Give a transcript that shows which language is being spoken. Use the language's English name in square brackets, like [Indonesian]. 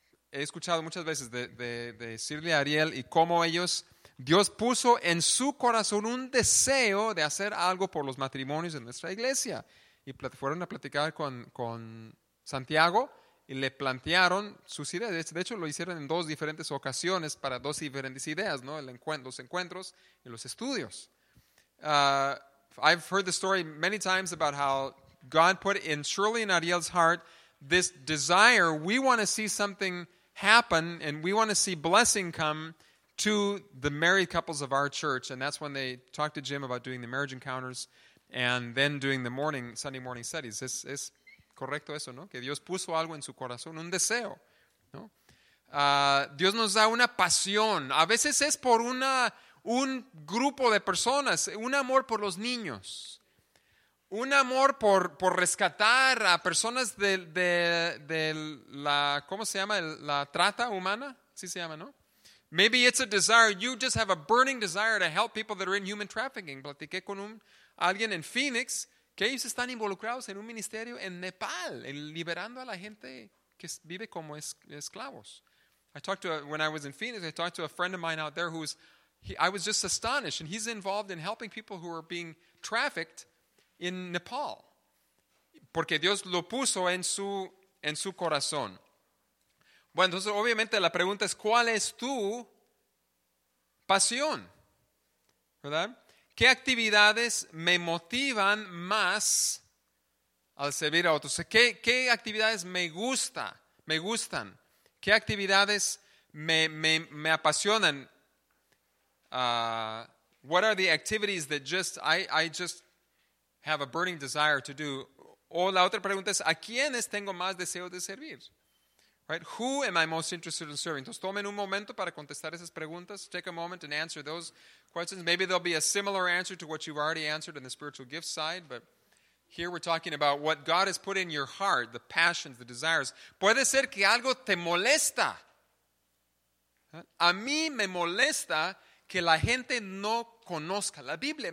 [Spanish] He escuchado muchas veces de Shirley Ariel y cómo ellos, Dios puso en su corazón un deseo de hacer algo por los matrimonios en nuestra iglesia. Y fueron a platicar con Santiago y le plantearon sus ideas. De hecho, lo hicieron en dos diferentes ocasiones para dos diferentes ideas, ¿no? Los encuentros y los estudios. [English] I've heard the story many times about how God put in Shirley and Ariel's heart this desire, we want to see something happen and we want to see blessing come to the married couples of our church. And that's when they talked to Jim about doing the marriage encounters and then doing the Sunday morning studies. [Spanish] ¿Es correcto eso, no? Que Dios puso algo en su corazón, un deseo, ¿no? Dios nos da una pasión. A veces es por un grupo de personas, un amor por los niños, un amor por rescatar a personas de la, ¿cómo se llama? La trata humana, así se llama, ¿no? [English] Maybe it's a desire, you just have a burning desire to help people that are in human trafficking. [Spanish] Platiqué con alguien en Phoenix, que ellos están involucrados en un ministerio en Nepal, en liberando a la gente que vive como esclavos. [English] When I was in Phoenix, I talked to a friend of mine out there I was just astonished, and he's involved in helping people who are being trafficked in Nepal. [Spanish] Porque Dios lo puso en su corazón. Bueno, entonces obviamente la pregunta es, ¿cuál es tu pasión? ¿Verdad? ¿Qué actividades me motivan más al servir a otros? ¿Qué actividades me gustan? ¿Qué actividades me apasionan? [English] What are the activities that just I just have a burning desire to do? [Spanish] O la otra pregunta es, ¿a quiénes tengo más deseo de servir? [English] Right? Who am I most interested in serving? [Spanish] Entonces, tomen un momento para contestar esas preguntas. [English] Take a moment and answer those questions. Maybe there'll be a similar answer to what you've already answered in the spiritual gift side, but here we're talking about what God has put in your heart, the passions, the desires. [Spanish] Puede ser que algo te molesta. A mí me molesta que la gente no conozca la Biblia.